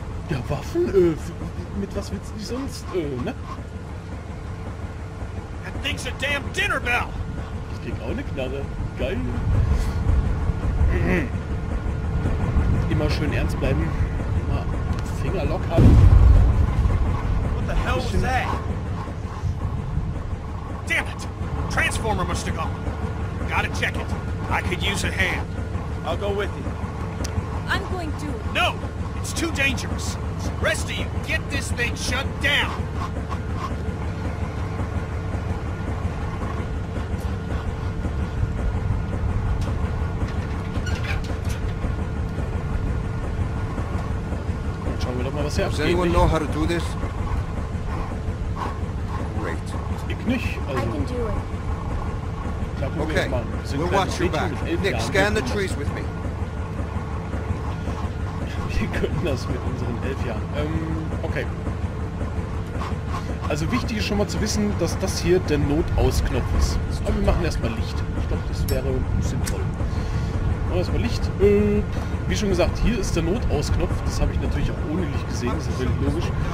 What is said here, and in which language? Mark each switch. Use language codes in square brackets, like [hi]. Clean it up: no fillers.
[de] Ja, Waffen, mit was willst du sonst, ne? [en] That thing's a damn dinner bell! [de] Ich krieg auch eine Knarre. Geil. Immer schön ernst bleiben. Immer Finger locker halten. [en] What the hell was that? Damn it! Transformer must have gone. Gotta check it. I could use a hand. I'll go with you. I'm going to. No! It's too dangerous. Rest of you, get this thing shut down. Does anyone know how to do this? Great. I can do it. Okay, we'll watch your back. Nick, scan the trees with me. [de] Wir könnten das mit unseren 11 Jahren. Okay. Also wichtig ist schon mal zu wissen, dass das hier der Notausknopf ist. Aber wir machen erstmal Licht. Ich glaube, das wäre sinnvoll. Machen wir erstmal Licht. Wie schon gesagt, hier ist der Notausknopf. Das habe ich natürlich auch ohne Licht gesehen. Das ist natürlich logisch.